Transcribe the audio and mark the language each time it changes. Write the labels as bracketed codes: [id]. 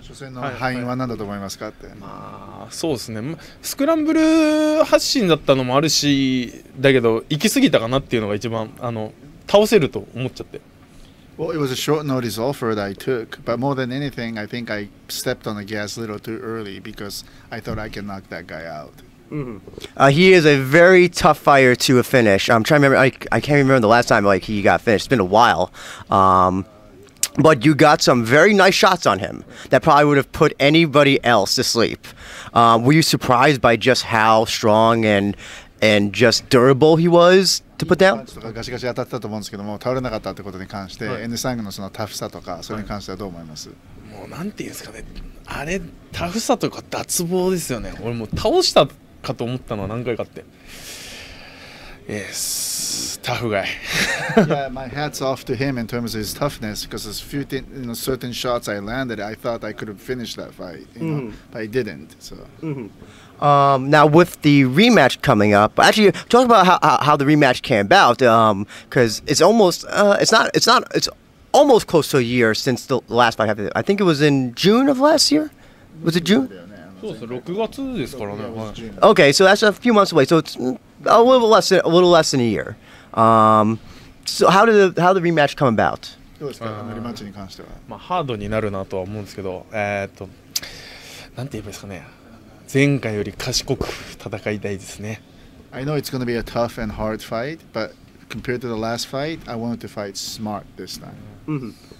[ja] 初戦の敗因は何だと思いますかって。まあそうですね。スクランブル発進だったのもあるし、だけど行き過ぎたかなっていうのが一番倒せると思っちゃって。 [en] Well, it was a short notice offer that I took, but more than anything, I think I stepped on the gas a little too early because I thought I could knock that guy out. Mm-hmm. He is a very tough fighter to a finish. I'm trying to remember. I can't remember the last time he got finished. It's been a while. But you got some very nice shots on him that probably would have put anybody else to sleep. Were you surprised by just how strong and just durable he was to put down? [ja] ガシガシ当たったと思うんですけども、倒れなかったってことに関して、N3のそのタフさとかそれに関してはどう思います？もうなんていうんですかね。あれタフさとか脱帽ですよね。俺もう倒した。かと思ったのは何回かって。 [en] Yes, tough guy. Yeah, my hat's off to him in terms of his toughness because there's certain shots I landed, I thought I could have finished that fight, you know, but I didn't. So. Mm-hmm. Now with the rematch coming up, actually talk about how the rematch came about. Because it's almost it's almost close to a year since the last fight happened. I think it was in June of last year. Was it June? Okay, so that's a few months away. So it's a little less than a year. So how did the rematch come about? [ja] Hard になるなとは思うんですけど、なんて言えばいいですかね。前回より賢く戦いたいですね。 [en] I know it's going to be a tough and hard fight, but compared to the last fight, I wanted to fight smart this time.